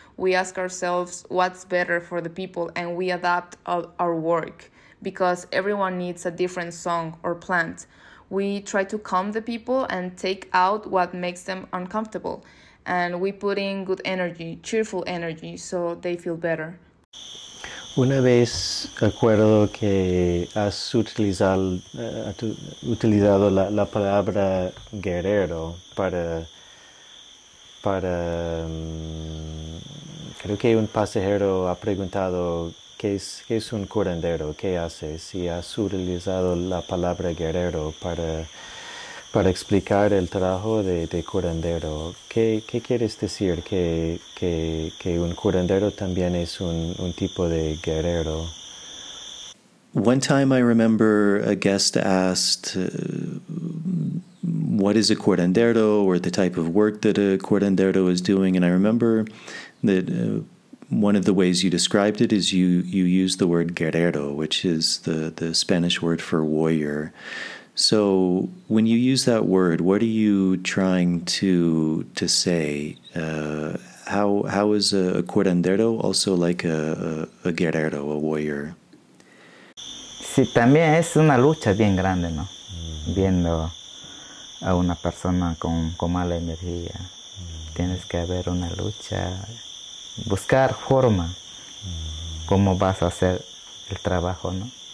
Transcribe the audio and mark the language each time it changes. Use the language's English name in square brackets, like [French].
[English] We ask ourselves what's better for the people and we adapt our work because everyone needs a different song or plant. We try to calm the people and take out what makes them uncomfortable. And we put in good energy, cheerful energy, so they feel better. [Spanish] Una vez recuerdo que has utilizado la palabra guerrero creo que un pasajero ha preguntado qué es un curandero, qué hace, si has utilizado la palabra guerrero para explicar el trabajo de curandero. ¿Qué quieres decir? ¿Que un curandero también es un tipo de guerrero? [English] One time I remember a guest asked, what is a curandero or the type of work that a curandero is doing? And I remember that one of the ways you described it is you use the word guerrero, which is the Spanish word for warrior. So when you use that word, what are you trying to say? How is a curandero also like a guerrero, a warrior? [Spanish] Sí, también es una lucha bien grande, ¿no? Viendo a una persona con mala energía. Tienes que haber una lucha, buscar forma, cómo vas a hacer el trabajo, ¿no?